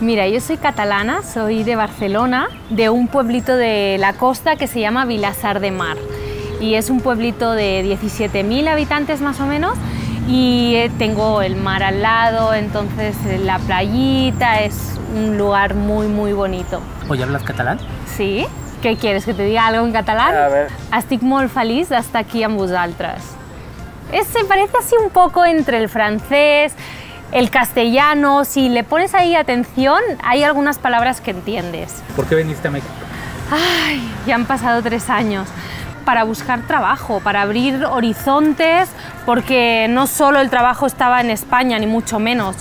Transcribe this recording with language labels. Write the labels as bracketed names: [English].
[Spanish] Mira, yo soy catalana, soy de Barcelona, de un pueblito de la costa que se llama Vilassar de Mar. Y es un pueblito de 17.000 habitantes más o menos y tengo el mar al lado, entonces la playita es un lugar muy, muy bonito. ¿Oye, hablas catalán? Sí. ¿Qué quieres? ¿Que te diga algo en catalán? A ver. [Catalan] Estic molt feliç d'estar aquí amb vosaltres. [Spanish] Se parece así un poco entre el francés, el castellano. Si le pones ahí atención, hay algunas palabras que entiendes. ¿Por qué viniste a México? Ay, ya han pasado 3 años. Para buscar trabajo, para abrir horizontes, porque no solo el trabajo estaba en España, ni mucho menos.